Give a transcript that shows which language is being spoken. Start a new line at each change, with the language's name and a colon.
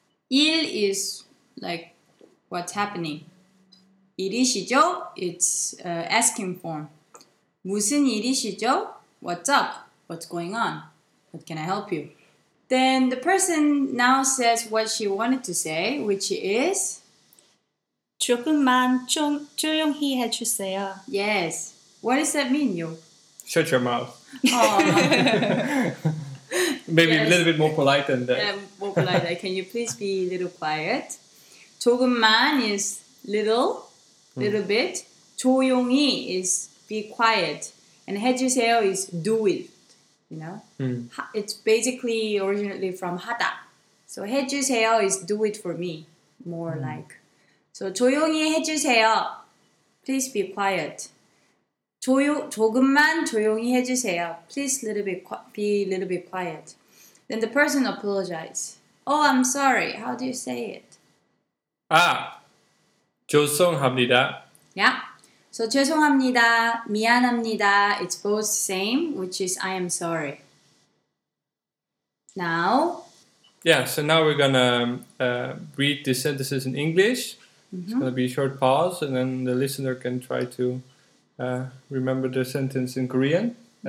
English: 일 is like what's happening.
Korean: 일이시죠?
English: It's asking form.
Korean: 무슨 일이시죠?
English: What's up? What's going on? What can I help you? Then the person now says what she wanted to say, which is
Korean: 조금만 좀 조용히 해주세요.
English: Yes. What does that mean, you? Shut your mouth. Maybe yes. A little bit more polite than that. Yeah, more polite. Can you please be a little quiet? 조금만 is little bit. 조용히 is be quiet. And 해주세요 is do it, you know? It's basically originally from 하다. So 해주세요 is do it for me, more like. So
Korean: 조용히 해주세요.
English: Please be quiet.
Korean: 조금만 조용히 해주세요.
English: Please be a little bit quiet. Then the person apologizes. Oh, I'm sorry. How do you say it?
Korean: 아, 죄송합니다.
English: Yeah.
Korean: So 죄송합니다, 미안합니다.
English: It's both same, which is I am sorry. Now. Yeah, so now we're going to read the sentences in English. Mm-hmm. It's going to be a short pause and then the listener can try to remember the sentence in Korean. Mm-hmm.